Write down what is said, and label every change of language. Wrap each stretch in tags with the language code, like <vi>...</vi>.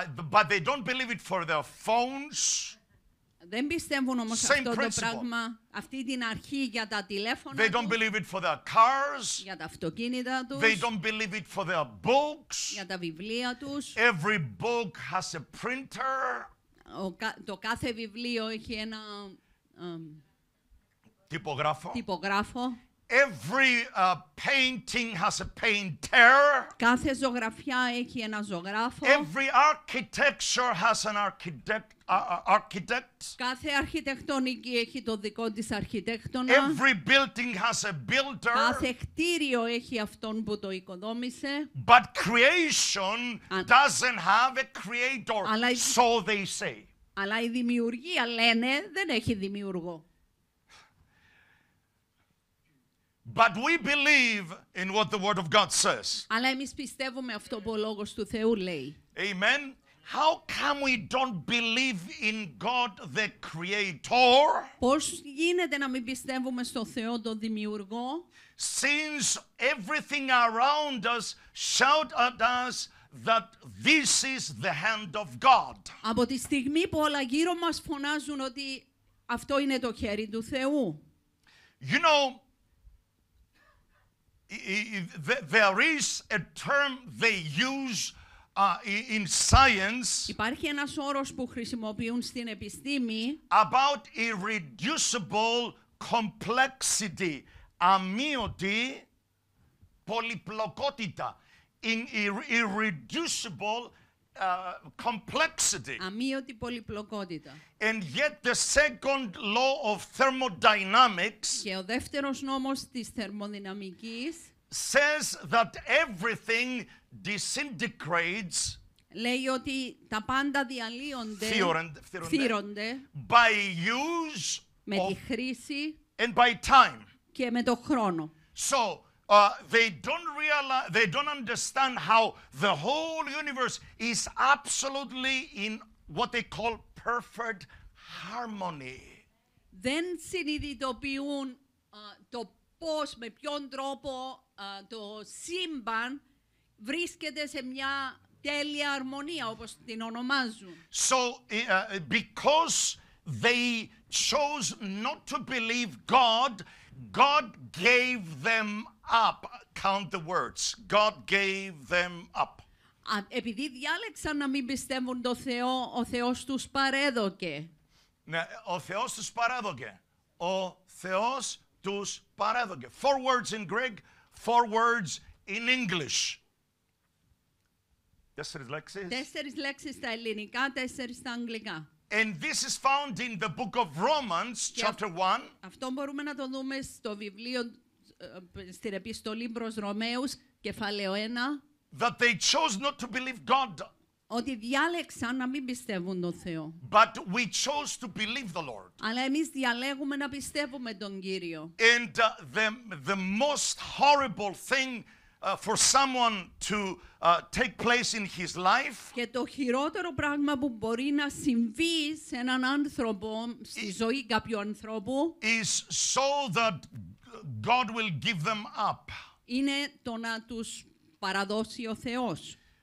<en>But they don't believe it for their phones.</en> <el>Δεν πιστεύουν όμως</el> <en>same</en> <el>αυτό</el> <en>principle.</en> <el>Το πράγμα, αυτή την αρχή για τα τηλέφωνα</el> <en>they don't believe it for their cars.</en> <el>Για τα αυτοκίνητα τους.</el> <en>They don't believe it for their books.</en> <el>Για τα βιβλία τους.</el> <en>Every book has a printer.</en> <el>Το κάθε βιβλίο έχει ένα τυπογράφο.</el> <en>Every painting has a painter.</en> <el>Κάθε ζωγραφιά έχει ένα ζωγράφο.</el> <en>Every architecture has an architect.</en> <el>Κάθε αρχιτεκτονική έχει το δικό της αρχιτέκτονα.</el> <en>Every building has a builder.</en> <el>Κάθε κτίριο έχει αυτόν που το οικοδόμησε.</el> <en>But creation doesn't have a creator, so they say.</en> <el>Αλλά η δημιουργία λένε δεν έχει δημιούργο.</el> <en>But we believe in what the Word of God says.</en> <el>Αλλά εμείς πιστεύουμε αυτό που ο Λόγος του Θεού λέει.</el> <en>Amen. How come we don't believe in God the Creator?</en> <el>Πώς γίνεται να μην πιστεύουμε στο Θεό τον Δημιουργό?</el> <en>Since everything around us shout at us that this is the hand of God.</en> <el>Από τη στιγμή που όλα γύρω μας φωνάζουν ότι αυτό είναι το χέρι του Θεού.</el> <en>You know, there is a term they use in science.</en> <el>Υπάρχει ένας όρος που χρησιμοποιούν στην επιστήμη.</el> <en>About irreducible complexity,</en> <el>αμύωτη πολυπλοκότητα.</el> <en>In irreducible complexity.</en> <el>Αμύωτη πολυπλοκότητα.</el> <en>And yet the second law of thermodynamics.</en> <el>Και ο δεύτερος νόμος της θερμοδυναμικής.</el> <en>Says that everything disintegrates.</en> <el>Λέει ότι τα πάντα διαλύονται.</el> <en>Θύρονται. By use.</en> <el>Με τη χρήση.</el> <en>And by time.</en> <el>Και με το χρόνο.</el> <en>So they don't realize, they don't understand how the whole universe is absolutely in what they call perfect harmony.</en> <el>Δεν συνειδητοποιούν το πώς, με ποιον τρόπο το σύμπαν βρίσκεται σε μια τέλεια αρμονία, όπως την ονομάζουν.</el> <en>So, because they chose not to believe God, God gave them up. Count the words. God gave them up.</en> <el>Επειδή διάλεξαν να μην πιστεύουν το Θεό, ο Θεός τους παρέδωκε.</el> <en>Four words in Greek, four words in English.</en> <el>Τέσσερις λέξεις στα ελληνικά, τέσσερις στα αγγλικά.</el> <en>And this is found in the book of Romans, chapter 1.</en> <el>Αυτό μπορούμε να το δούμε στο βιβλίο, στην επιστολή προς Ρωμαίους, κεφάλαιο 1.</el> <en>That they chose not to believe God.</en> <el>ότι διάλεξαν να μην πιστεύουν τον Θεό.</el> <en>But we chose to believe the Lord.</en> <el>Αλλά εμείς διαλέγουμε να πιστεύουμε τον Κύριο.</el> <en>And the most horrible thing for someone to take place in his life.</en> <el>Και το χειρότερο πράγμα που μπορεί να συμβεί σε έναν άνθρωπο στη ζωή κάποιου ανθρώπου.</el> <en>Is so that God will give them up.</en> <el>Είναι το να τους παραδώσει ο Θεός.</el>